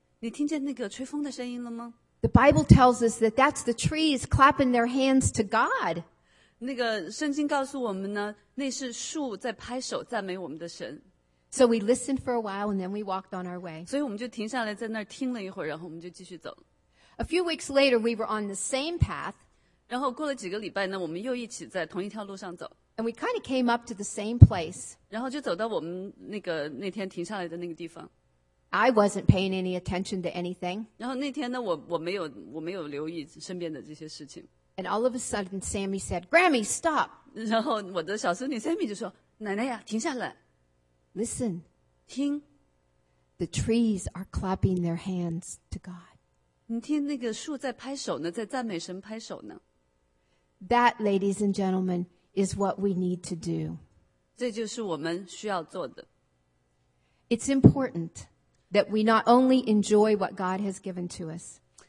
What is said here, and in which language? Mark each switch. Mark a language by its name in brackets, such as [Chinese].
[Chinese] 你听见那个吹风的声音了吗？ [English] The Bible tells us that that's the trees clapping their hands to God. [Chinese] 那个圣经告诉我们呢，那是树在拍手赞美我们的神。 [English] So we listened for a while and then we walked on our way. [Chinese] 所以我们就停下来在那儿听了一会儿，然后我们就继续走。 [English] A few weeks later, we were on the same path. [Chinese] 然后过了几个礼拜呢，我们又一起在同一条路上走。 [English] And we kind of came up to the same place. [Chinese] 然后就走到我们那天停下来的那个地方。 [English] I wasn't paying any attention to anything. [Chinese] 然后那天呢，我没有留意身边的这些事情。 [English] And all of a sudden, Sammy said, Grammy, stop. [Chinese] 然后我的小孙女 Sammy 就说， 奶奶呀，停下来。 [English] Listen. [Chinese] 听。 [English] The trees are clapping their hands to God. [Chinese] 你听那个树在拍手呢，在赞美神拍手呢。 [English] That, ladies and gentlemen, is what we need to do. [Chinese] 这就是我们需要做的。 [English] It's important that we not only enjoy what God has given to us.